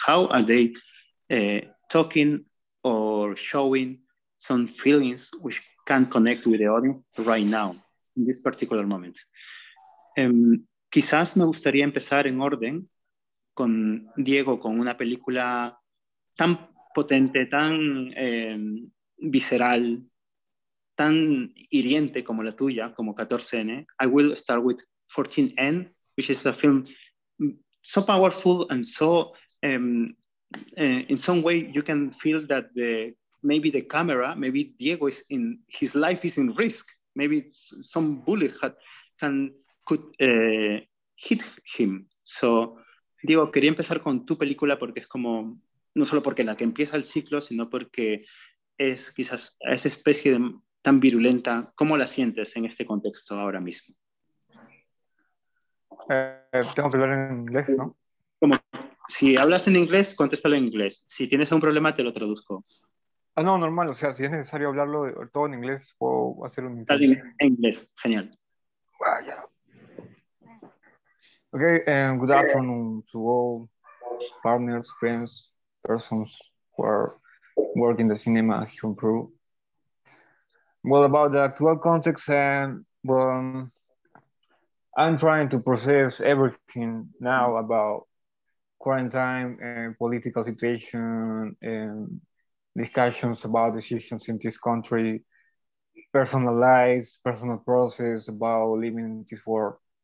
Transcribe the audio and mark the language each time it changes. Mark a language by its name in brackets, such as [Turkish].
[English] How are they talking or showing some feelings which can connect with the audience right now, in this particular moment? [Spanish] Quizás me gustaría empezar en orden con Diego, con una película tan potente, tan visceral, tan hiriente como la tuya, como 14N. [English] I will start with 14N, which is a film so powerful and so, in some way, you can feel that maybe the camera, maybe Diego is in, his life is in risk. Maybe some bullet could hit him. [Spanish] So, Diego, quería empezar con tu película porque es como, no solo porque la que empieza el ciclo, sino porque es quizás esa especie de, tan virulenta. ¿Cómo la sientes en este contexto ahora mismo? Tengo que hablar en inglés, ¿no? ¿Cómo? Si hablas en inglés, contéstalo en inglés. Si tienes algún problema, te lo traduzco. Ah, no, normal. O sea, si es necesario hablarlo todo en inglés, puedo hacer un intento. En inglés, genial. Vaya. [English] Okay, good afternoon to all partners, friends, persons who are working in the cinema here in Peru. Well, about the actual context, I'm trying to process everything now about quarantine and political situation and discussions about decisions in this country, personal lives, personal process about living in this world.